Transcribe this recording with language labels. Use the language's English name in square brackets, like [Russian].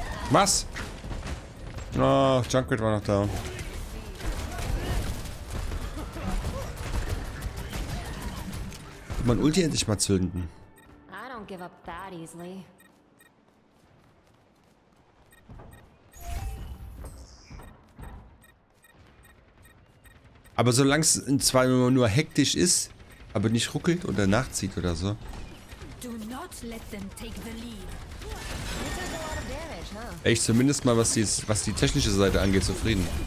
[German] Was? Oh, Junkrat war noch da. Mein Ulti endlich mal zünden. [English] I don't give up that easily. [German] Aber solange es in zwei Minuten nur hektisch ist, aber nicht ruckelt oder nachzieht oder so. [English] Do not let them take the lead. [German] Echt zumindest mal, was die technische Seite angeht, zufrieden.